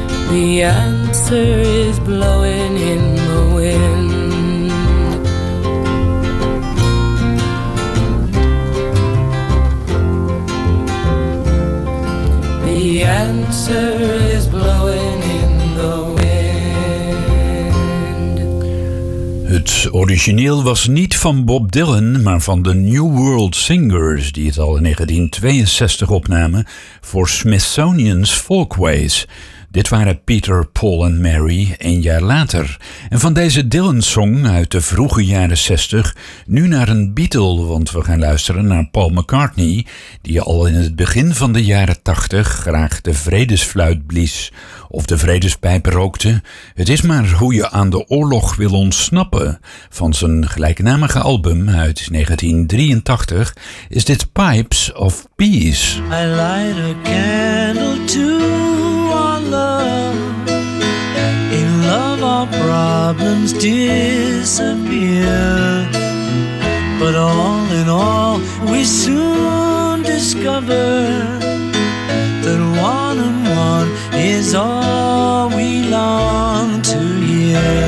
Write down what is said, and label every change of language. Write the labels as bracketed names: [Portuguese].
[English] The answer is blowing in the wind. The answer is blowing in the wind. [Dutch] Het origineel was niet van Bob Dylan, maar van de New World Singers, die het al in 1962 opnamen voor Smithsonian's Folkways. Dit waren Peter, Paul en Mary een jaar later. En van deze Dylan-song uit de vroege jaren 60 nu naar een Beatle, want we gaan luisteren naar Paul McCartney, die al in het begin van de jaren 80 graag de vredesfluit blies of de vredespijp rookte. Het is maar hoe je aan de oorlog wil ontsnappen. Van zijn gelijknamige album uit 1983 is dit Pipes of Peace. [English] I light a candle too. In love our problems disappear, but all in all we soon discover that one and one is all we long to hear.